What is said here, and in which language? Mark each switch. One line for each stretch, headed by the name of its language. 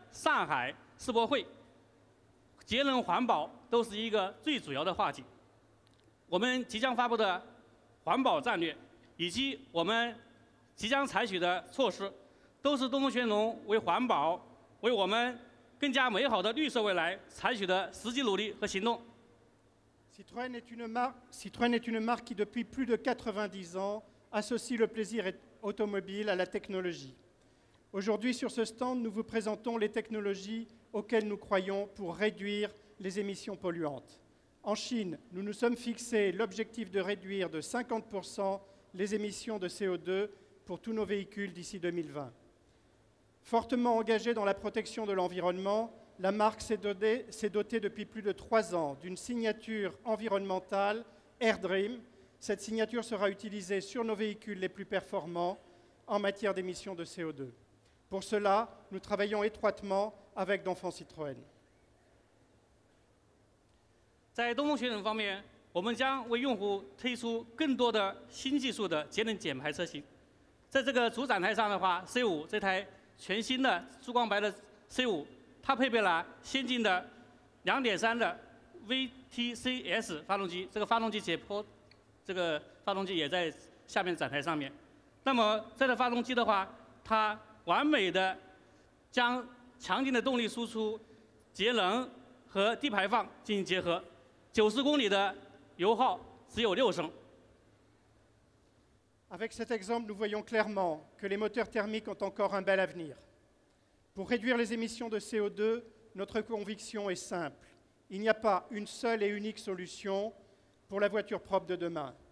Chinese: 上海世博会，节能环保都是一个最主要的话题。我们即将发布的环保战略以及我们即将采取的措施，都是东风雪铁龙为环保、为我们更加美好的绿色未来采取的实际努力和行动。
French: Citroën est une marque qui, depuis plus de 90 ans, associe le plaisir automobile à la technologie. Aujourd'hui, sur ce stand, nous vous présentons les technologies auxquelles nous croyons pour réduire les émissions polluantes. En Chine, nous nous sommes fixés l'objectif de réduire de 50% les émissions de CO2 pour tous nos véhicules d'ici 2020. Fortement engagée dans la protection de l'environnement, la marque s'est dotée depuis plus de 3 ans d'une signature environnementale AirDream. Cette signature sera utilisée sur nos véhicules les plus performants en matière d'émissions de CO2. Pour cela, nous travaillons étroitement avec DongFeng Citroën.
Chinese: 在东风雪铁龙方面，我们将为用户推出更多的新技术的节能减排车型。在这个主展台上的话 ，C5 这台全新的珠光白的 C5， 它配备了先进的 2.3 的 VTCS 发动机，这个发动机解剖，这个发动机也在下面展台上面。那么这台发动机的话，它完美的将强劲的动力输出、节能和低排放进行结合。 90 km de 油耗只有6 升.
French: Avec cet exemple, nous voyons clairement que les moteurs thermiques ont encore un bel avenir. Pour réduire les émissions de CO2, notre conviction est simple. Il n'y a pas une seule et unique solution pour la voiture propre de demain.